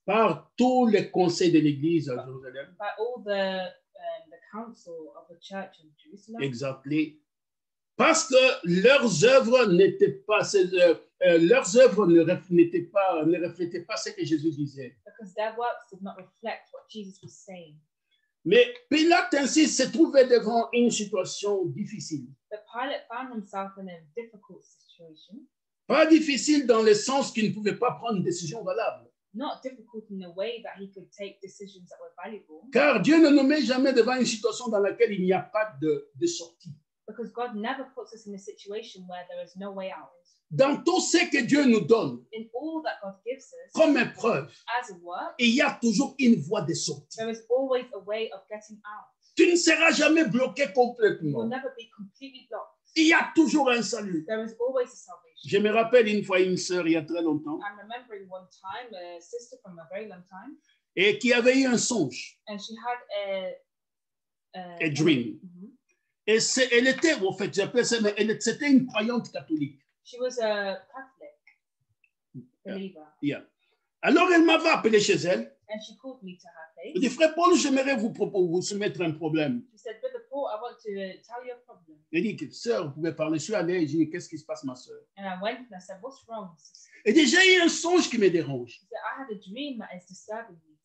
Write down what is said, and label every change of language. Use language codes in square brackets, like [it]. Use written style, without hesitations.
[fr] Par tous les conseils de l'Église à Jérusalem. [en] By all the council of the church in Jerusalem. Exactly. [fr] Parce que leurs œuvres n'étaient pas ne reflétaient pas ce que Jésus disait. [en] Because their works did not reflect what Jesus was saying. [fr] Mais Pilate ainsi se trouvait devant une situation difficile. [en] But Pilate found himself in a difficult situation. [fr] Pas difficile dans le sens qu'il ne pouvait pas prendre une décision valable. [en] Not difficult in the way that he could take decisions that were valuable. [fr] Car Dieu ne nous met jamais devant une situation dans laquelle il n'y a pas de sortie. [en] Because God never puts us in a situation where there is no way out. [fr] Dans tout ce que Dieu nous donne, [en] in all that God gives us, [fr] comme épreuve, [en] as a work, [fr] il y a toujours une voie de sortie. [en] There is always a way of getting out. [fr] Tu ne seras jamais bloqué complètement. [en] You will never be completely blocked. [fr] Il y a toujours un salut. [en] There is always a salvation. [fr] Je me rappelle une fois une sœur il y a très longtemps. [en] I'm remembering one time a sister from a very long time. [fr] Et qui avait eu un songe. [en] And she had a dream. [fr] Et elle était, en fait, j'appelle ça, mais c'était une croyante catholique. [en] She was a Catholic believer. Yeah. [fr] Alors elle m'avait appelé chez elle. [en] And she called me to her place. [fr] Elle dit, frère Paul, j'aimerais vous soumettre un problème. [en] She said, brother Paul, I want to tell you a problem. [fr] Elle dit, sœur, vous pouvez parler. Je suis allée, j'ai dit, qu'est-ce qui se passe, ma sœur? [en] And I went and I said, what's wrong? [fr] Elle dit, j'ai eu un songe qui me dérange. [en] She said, I had a dream that is disturbing me.